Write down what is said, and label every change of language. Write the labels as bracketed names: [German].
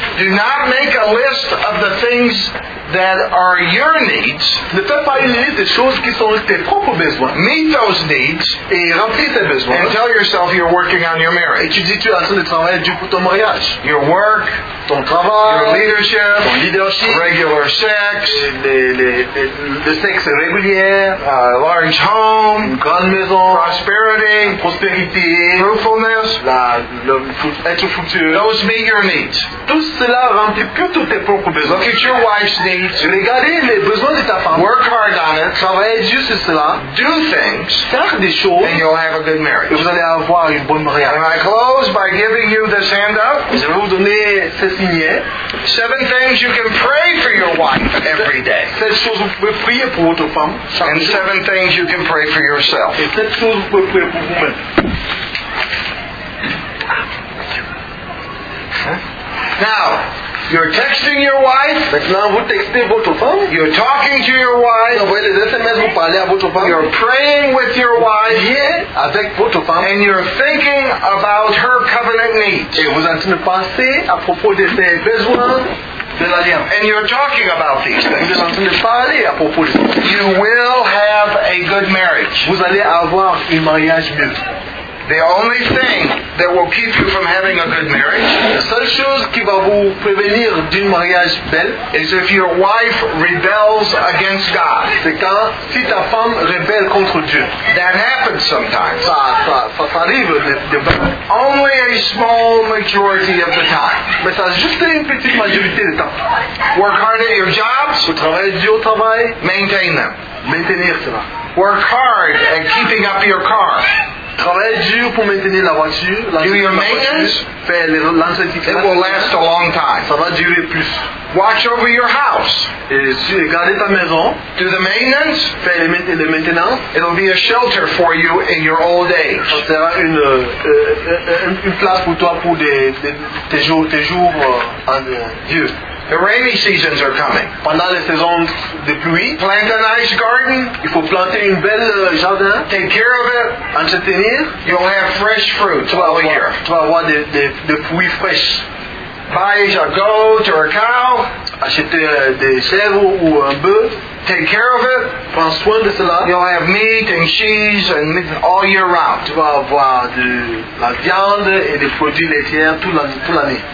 [English] Do not make a list of the things that are your needs. [French] Ne fais pas une liste des choses qui sont tes propres besoins. [English] Meet those needs [French] et remplis tes besoins. [English] And tell yourself you're working on your marriage. [French] Et tu dis tu es en train de travailler dur pour ton mariage. [English] Your work, [French] ton travail, [English] your leadership, [French] ton leadership, [English] regular sex, [French] le sexe régulier, [English] large home, [French] une grande maison, [English] prosperity, fruitfulness, [French] être fructueux. [English] Those meet your needs. [French] Tout cela remplit plutôt tes propres besoins. [English] Look at your wife's needs. [French] Regardez les besoins de ta femme. [English] Work hard on it. [French] Travaillez dur sur cela. [English] Do things. [French] Faire des choses. [English] And you'll have a good marriage. [French] Et vous allez avoir une bonne mariage. [English] And I close by giving you this hand up. [French] Je vais vous donner ce signet. [English] Seven things you can pray for your wife every day. [French] Sept choses vous pouvez prier pour votre femme. [English] And seven things you can pray for yourself. [French] Et sept choses vous pouvez prier pour vous-même. [English] Now, you're texting your wife. [French] Maintenant, vous textez votre femme. [English] You're talking to your wife. [French] Vous envoyez des SMS, vous parlez à votre femme. [English] You're praying with your wife. [French] Yeah, avec votre femme. [English] And you're thinking about her covenant needs. [French] Et vous êtes en train de penser à propos de ses besoins. [English] And you're talking about these things. You will have a good marriage. [French] Vous allez avoir un mariage mieux. [English] The only thing that will keep you from having a good marriage, [French] la seule chose qui va vous prévenir d'un mariage bel, [English] is if your wife rebels against God. [French] C'est quand si ta femme rebelle contre Dieu. [English] That happens sometimes. [French] Ça arrive de [English] only a small majority of the time. [French] Mais ça juste une petite majorité de temps. [English] Work hard at your jobs. [French] Vous travaillez dur au travail. [English] Maintain them. [French] Maintenir cela. [English] Work hard at keeping up your car. [French] Travaillez dur pour maintenir la voiture. [English] Do your maintenance. [French] Faire l'entretien. [English] It will last a long time. [French] Ça va durer plus. [English] Watch over your house. [French] Et gardez ta maison. [English] Do the maintenance. [French] Faire le maintenance. [English] It will be a shelter for you in your old age. [French] Ça sera une place pour toi pour tes jours en vieux. [English] The rainy seasons are coming. [French] Pendant les saisons de pluie, [English] plant a nice garden. [French] Il faut planter une belle jardin. [English] Take care of it. [French] Entretenir. [English] You'll have fresh fruit all year. [French] Tu vas avoir des fruits frais. [English] Buy a goat or a cow. [French] Acheter des chèvres ou un bœuf. [English] Take care of it. [French] Prends soin de cela. [English] You'll have meat and cheese and meat all year round. [French] Tu vas avoir de la viande et des produits laitiers toute l'année.